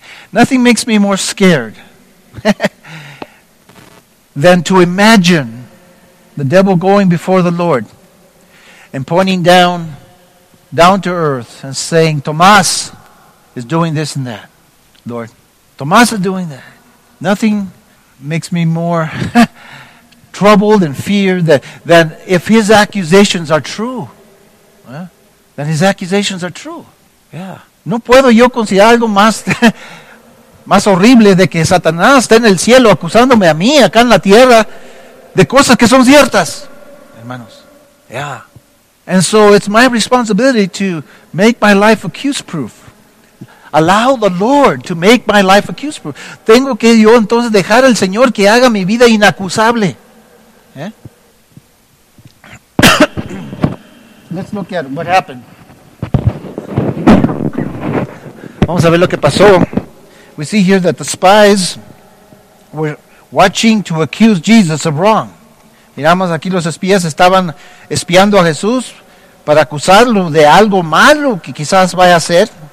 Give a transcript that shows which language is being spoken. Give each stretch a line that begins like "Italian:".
English: Nothing makes me more scared than to imagine the devil going before the Lord and pointing down to earth and saying, Tomás is doing this and that, Lord. Tomás is doing that. Nothing makes me more troubled and fear that if his accusations are true, yeah, that his accusations are true. Yeah.
Spanish: No puedo yo considerar algo más, más horrible de que Satanás está en el cielo acusándome a mí acá en la tierra de cosas que son ciertas, hermanos. Yeah.
English: And so it's my responsibility to make my life accuse-proof. Allow the Lord to make my life accuse-proof.
Spanish: Tengo que yo entonces dejar al Señor que haga mi vida inacusable. ¿Eh?
English: Let's look at what happened.
Spanish: Vamos a ver lo que pasó.
English: We see here that the spies were watching to accuse Jesus of wrong.
Spanish: Miramos aquí los espías estaban espiando a Jesús para acusarlo de algo malo que quizás vaya a hacer.